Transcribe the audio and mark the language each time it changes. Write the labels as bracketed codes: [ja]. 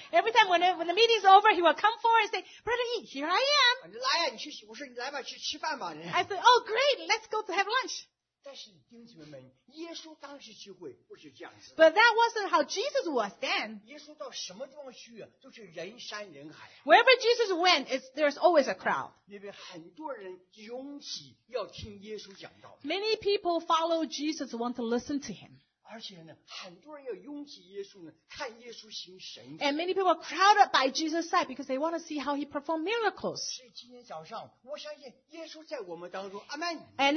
[en] Every time when the meeting's over, he will come forward and say, "Brother Yi, here I am." [zh] 来呀，你去，我说你来吧，去吃饭吧。 [en] I said, "Oh, great, let's go to have lunch." [zh] 但是弟兄姐妹们，耶稣当时聚会不是这样子。 [en] But that wasn't how Jesus was then. [zh] 耶稣到什么地方去啊，都是人山人海。 [en] Wherever Jesus went, there's always a crowd. [zh] 那边很多人拥挤要听耶稣讲道。 [en] Many people follow Jesus want to listen to him. [zh] 而且呢，很多人要拥挤耶稣呢，看耶稣行神迹。 [en] And many people crowded by Jesus' side because they want to see how he performed miracles. [zh] 所以今天早上，我相信耶稣在我们当中。阿门。 [en] And